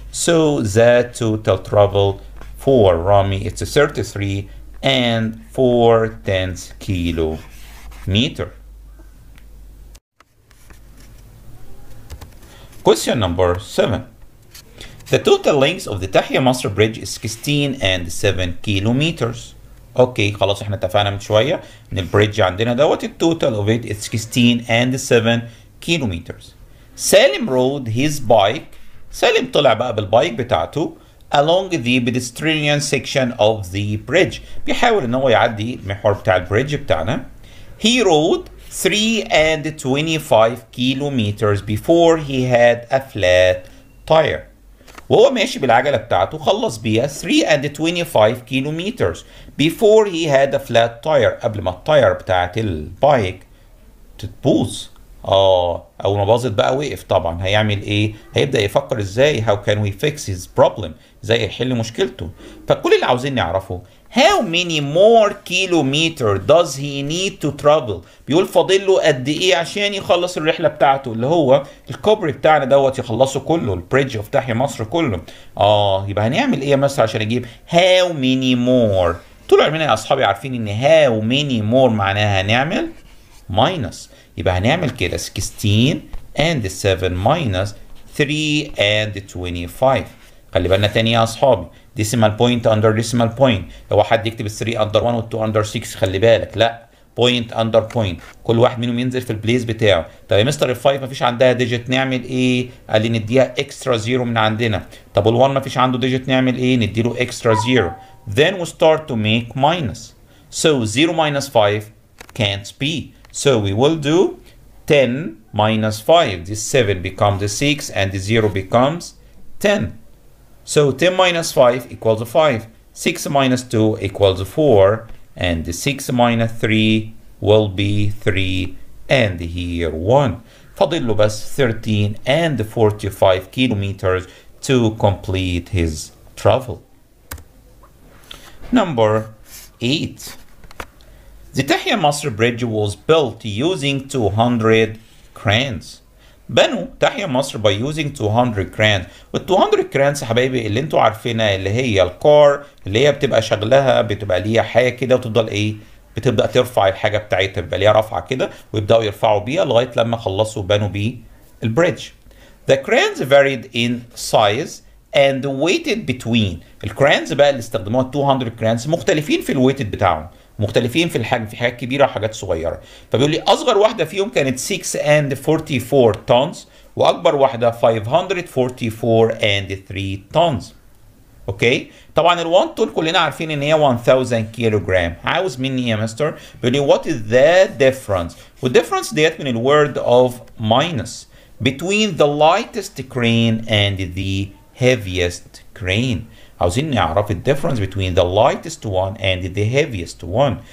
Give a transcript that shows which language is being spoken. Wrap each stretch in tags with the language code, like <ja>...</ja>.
<en>So the total travel for Rami it's 33 and 4 tenths kilometer. Question number 7. The total length of the Tahia Master Bridge is 16 and 7 kilometers. Okay,</en> <ar>خلاص احنا اتفقنا من شوية ان البريدج عندنا دوت</ar> <en>the total of it is 16 and 7 kilometers. Salim rode his bike. Salim</en> <ar>طلع بقى بالبايك بتاعته</ar> <en>along the pedestrian section of the bridge.</en> <ar>بيحاول ان هو يعدي المحور بتاع البريدج بتاعنا.</ar> <en>He rode 3 and 25 kilometers before he had a flat tire.</en> <ar>وهو ماشي بالعجلة بتاعته خلص بيها</ar> <en>3 and 25 kilometers before he had a flat tire.</en> <ar>قبل ما التاير بتاعت البايك تتبوظ. اول ما باظت بقى وقف طبعا هيعمل ايه؟ هيبدا يفكر ازاي</ar> <en>how can we fix his problem؟</en> <ar>ازاي يحل مشكلته؟ فكل اللي عاوزين نعرفه</ar> <en>how many more kilometer does he need to travel؟</en> <ar>بيقول فاضل له قد ايه عشان يخلص الرحله بتاعته اللي هو الكوبري بتاعنا دوت يخلصه كله البريدج اوف تحيا مصر كله. يبقى هنعمل ايه مثلا عشان اجيب</ar> <en>how many more؟</en> <ar>طول عمرنا يا اصحابي عارفين ان how many more معناها هنعمل minus. يبقى هنعمل كده 16 and 7 minus 3 and 25. خلي بالنا تاني يا اصحابي</ar> <en>decimal point under decimal point.</en> <ar>لو حد يكتب 3 under 1 وال 2 under 6 خلي بالك لا</ar> <en>point under point</en> <ar>كل واحد منهم ينزل في البليس بتاعه. طب يا مستر ال 5 مفيش عندها digit نعمل ايه؟ قال لي نديها</ar> <en>extra 0</en> <ar>من عندنا. طب وال 1 مفيش عنده digit نعمل ايه؟ نديله</ar> <en>extra 0. Then we start to make minus. So 0 minus 5 can't be. So we will do 10 minus 5. This 7 becomes 6 and the 0 becomes 10. So 10 minus 5 equals 5. 6 minus 2 equals 4. And the 6 minus 3 will be 3. And here 1.</en> <ar>فاضل له بس</ar> <en>13 and 45 kilometers to complete his travel. Number 8. The Tahia Master Bridge was built using 200 cranes.</en> <ar>بنوا تحيا مصر</ar> <en>by using 200 grand.</en> <ar>وال 200 grand حبايبي اللي انتوا عارفينها اللي هي الكار اللي هي بتبقى شغلها بتبقى ليها حاجه كده وتفضل ايه بتبدا ترفع الحاجه بتاعتها بيبقى ليها رفعه كده ويبداوا يرفعوا بيها لغايه لما خلصوا بنوا بيه البريدج.</ar> <en>The crayons varied in size and weighted between.</en> <ar>الكرانز بقى اللي استخدموها 200 crayons مختلفين في الويتد بتاعهم، مختلفين في الحجم، في حاجات كبيره وحاجات صغيره. فبيقول لي اصغر واحده فيهم كانت 644 tons واكبر واحده 544.3 tons. اوكي طبعا ال1 تون كلنا عارفين ان هي 1000 كيلوغرام. عاوز مني يا مستر بيقول لي</ar> <en>what is the difference.</en> <ar>والديفرنس ديت من الورد اوف ماينس</ar> <en>between the lightest crane and the heaviest crane.</en> <ar>عاوزين نعرف الـ</ar> <en>difference between the lightest one and the heaviest one.</en>